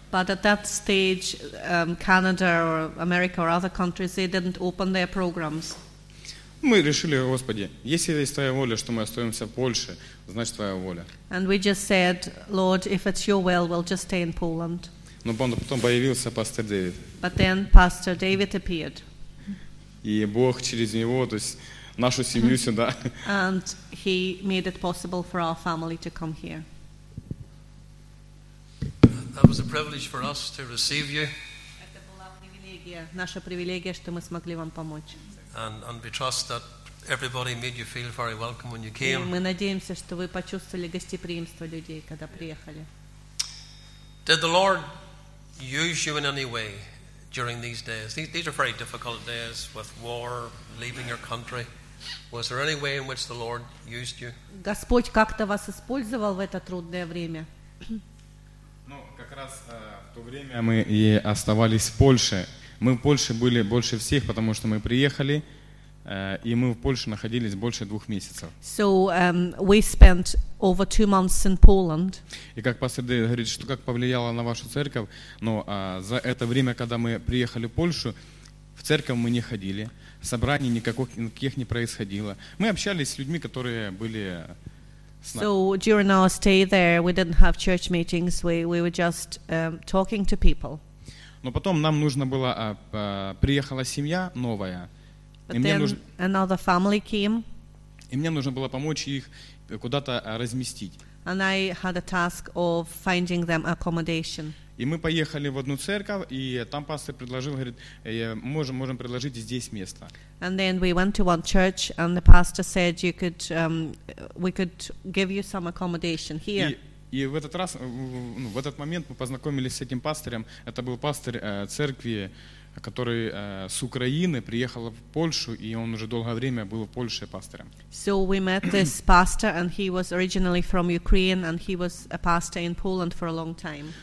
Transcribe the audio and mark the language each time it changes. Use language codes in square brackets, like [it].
[en] But at that stage, Canada or America or other countries, they didn't open their programs. [ru] Мы решили, Господи, если есть Твоя воля, что мы остаемся в Польше, значит, Твоя воля. [en] And we just said, Lord, if it's your will, we'll just stay in Poland. [ru] Но потом появился пастор Дэвид. [en] But then Pastor David appeared. [ru] И Бог через него, то есть нашу семью сюда. [en] And he made it possible for our family to come here. That was a privilege for us to receive you. [ru] Это была привилегия, наша привилегия, что мы смогли вам помочь. [en] And we trust that everybody made you feel very welcome when you came. [ru] И мы надеемся, что вы почувствовали гостеприимство людей, когда приехали. [en] Did the Lord use you in any way during these days? These are very difficult days with war, leaving your country. Was there any way in which the Lord used you? [ru] Господь как-то вас использовал в это трудное время? Как раз в то время мы и оставались в Польше. Мы в Польше были больше всех, потому что мы приехали, и мы в Польше находились больше 2 месяцев. [en] So we spent over 2 months in Poland. [ru] И как пастор Дэвид говорит, что как повлияло на вашу церковь, но за это время, когда мы приехали в Польшу, в церковь мы не ходили, собраний никаких не происходило. Мы общались с людьми, которые были... [en] So during our stay there, we didn't have church meetings. We were just talking to people. [ru] Но потом нам нужно было приехала семья новая. [en] Another family came. [ru] И мне нужно было помочь их куда-то разместить. [en] And I had a task of finding them accommodation. [ru] И мы поехали в одну церковь, и там пастор предложил, говорит, можем предложить здесь место. [en] And then we went to one church, and the pastor said, you could, we could give you some accommodation here. [ru] И в этот раз, в этот момент мы познакомились с этим пастором. Это был пастор церкви, который с Украины приехал в Польшу, и он уже долгое время был в Польше пастором. [en] So we met this pastor, and he was originally from Ukraine, and he was a pastor in Poland for a long time.